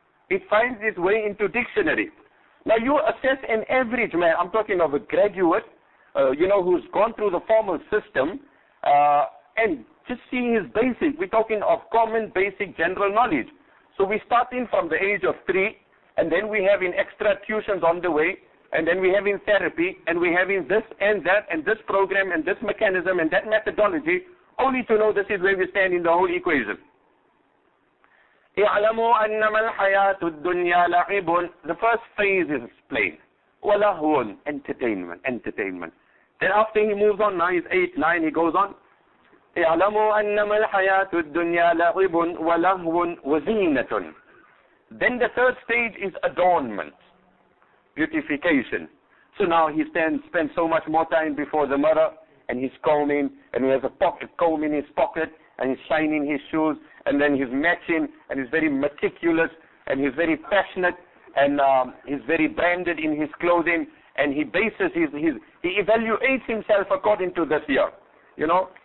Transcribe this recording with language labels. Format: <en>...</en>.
<en>It finds its way into dictionary. Now, you assess an average man, I'm talking of a graduate, you know, who's gone through the formal system, and just seeing his basic, we're talking of common, basic, general knowledge. So we start in from the age of 3, and then we have in extra tuitions on the way, and then we have in therapy, and we have in this and that, and this program, and this mechanism, and that methodology, only to know this is where we stand in the whole equation.</en> <ar>اعلموا أنما الحياة الدنيا لعب.</ar> <en>The first phase is explained. ولهون, entertainment. Then after he moves on, now he's 8, 9, he goes on.</en> <ar>اعلموا أنما الحياة الدنيا لعب ولهون وزينة.</ar> <en>Then the third stage is adornment, beautification. So now he spends so much more time before the mirror, and he's combing, and he has a pocket comb in his pocket, and he's shining his shoes. And then he's matching, and he's very meticulous, and he's very passionate, and he's very branded in his clothing, and he bases he evaluates himself according to this year, you know.</en>